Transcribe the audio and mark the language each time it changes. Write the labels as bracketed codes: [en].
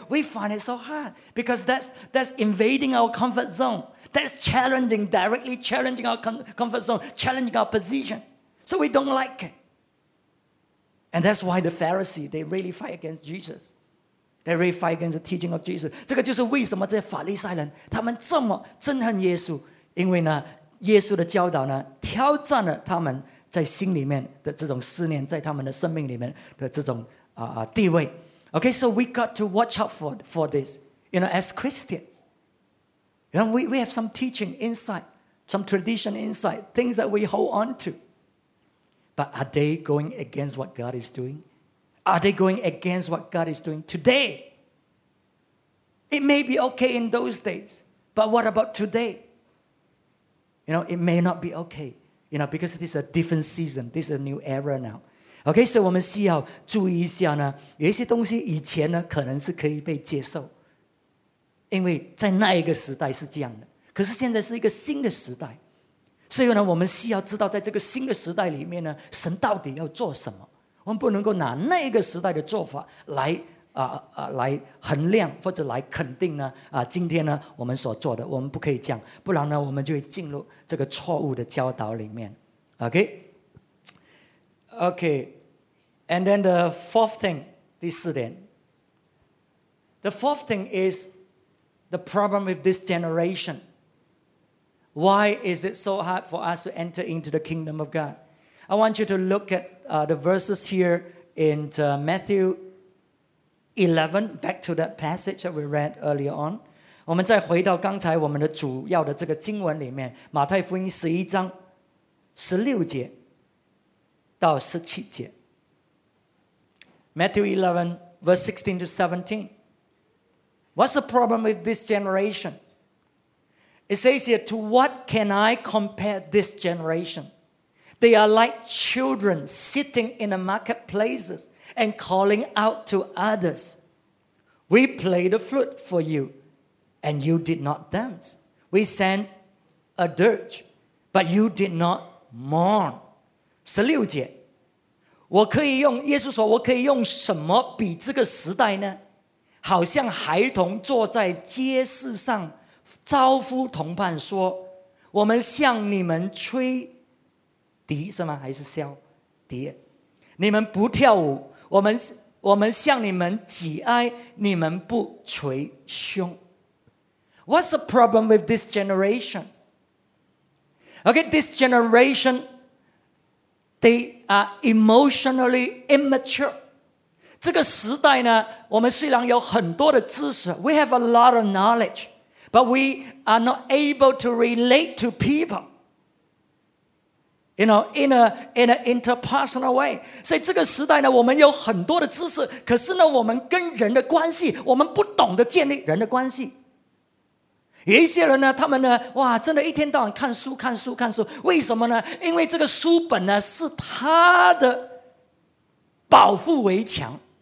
[en] We find it so hard because that's invading our comfort zone. That's challenging, directly challenging our comfort zone, challenging our position. So we don't like it. And that's why the Pharisees, they really fight against Jesus. They really fight against the teaching of Jesus. [zh] 这个就是为什么这些法利赛人他们这么憎恨耶稣，因为呢，耶稣的教导呢，挑战了他们在心里面的这种思念，在他们的生命里面的这种地位。 [en] Okay, so we got to watch out for this. You know, as Christians, you know, we have some teaching inside, some tradition inside, things that we hold on to. But are they going against what God is doing? Are they going against what God is doing today? It may be okay in those days, but what about today? You know, it may not be okay, you know, because this is a different season. This is a new era now. [zh] Okay, so 我们需要注意一下呢，有一些东西以前呢可能是可以被接受，因为在那一个时代是这样的。可是现在是一个新的时代，所以呢，我们需要知道在这个新的时代里面呢，神到底要做什么。我们不能够拿那个时代的做法来衡量或者来肯定呢今天呢我们所做的，我们不可以这样，不然呢我们就会进入这个错误的教导里面。 [en] OK OK And then the fourth thing, [zh] 第四点， [en] The fourth thing is the problem with this generation. Why is it so hard for us to enter into the kingdom of God? I want you to look atthe verses here in Matthew 11, back to that passage that we read earlier on. [zh] 我们再回到刚才我们的主要的这个经文里面，马太福音十一章十六节到十七节。 [en] Matthew 11, verse 16 to 17. What's the problem with this generation? It says here, to what can I compare this generation? They are like children sitting in the marketplaces and calling out to others. We played the flute for you, and you did not dance. We sang a dirge, but you did not mourn. [zh] 十六节，我可以用，耶稣说，我可以用什么比这个时代呢？好像孩童坐在街市上，招呼同伴说，我们向你们吹笛是吗？还是箫？笛。你们不跳舞，我们向你们挤哀，你们不捶胸。 [en] What's the problem with this generation? Okay, this generation, they are emotionally immature. [zh] 这个时代呢，我们虽然有很多的知识 [en] ，we have a lot of knowledge, but we are not able to relate to people. You know, in an interpersonal way. [zh] 所以这个时代呢，我们有很多的知识，可是呢，我们跟人的关系，我们不懂得建立人的关系。有一些人呢，他们呢，哇，真的一天到晚看书，看书，看书。为什么呢？因为这个书本呢，是他的保护围墙。